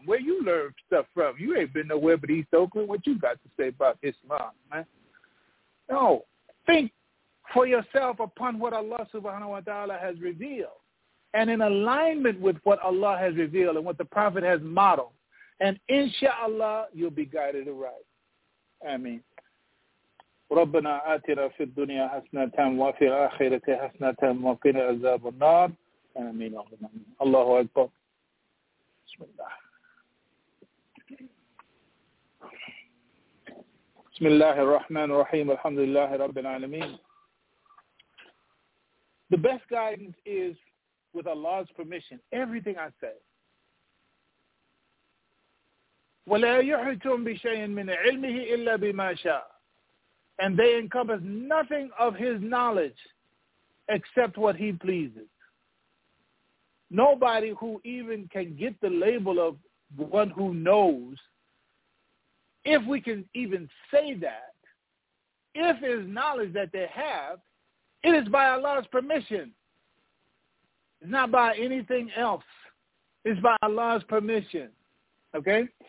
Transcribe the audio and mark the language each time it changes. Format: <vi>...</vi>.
<en>Where you learn stuff from? You ain't been nowhere but East Oakland. What you got to say about Islam, man? No. Think for yourself upon what Allah subhanahu wa ta'ala has revealed. And in alignment with what Allah has revealed and what the Prophet has modeled. And inshallah, you'll be guided aright. Ameen.</en> <ar>ربنا آتنا في الدنيا حسنة وفي الآخرة حسنة وقنا عذاب النار آمين الله أكبر بسم الله بسم الله الرحمن الرحيم الحمد لله رب العالمين</ar> <en>The best guidance is with Allah's permission everything I say</en> <ar>ولا يحيطون بشيء من علمه إلا بما شاء</ar> <en>And they encompass nothing of his knowledge except what he pleases. Nobody who even can get the label of one who knows, if we can even say that, if his knowledge that they have, it is by Allah's permission. It's not by anything else. It's by Allah's permission. Okay?</en>